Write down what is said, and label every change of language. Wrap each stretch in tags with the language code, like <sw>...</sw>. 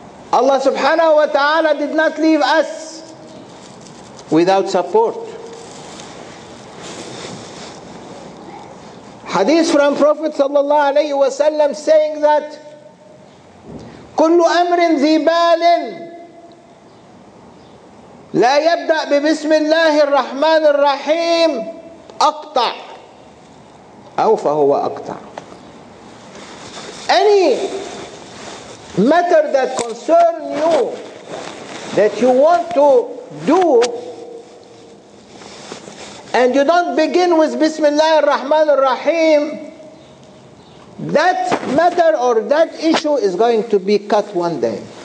<en>Allah subhanahu wa ta'ala did not leave us without support. Hadith from Prophet sallallahu alayhi wa sallam saying that</en> <ar>كل أمر ذي بال لا يبدأ ببسم الله الرحمن الرحيم أقطع أو فهو أقطع.</ar> <en>Any matter that concerns you that you want to do and you don't begin with Bismillah ar-Rahman ar-Rahim, that matter or that issue is going to be cut one day.</en>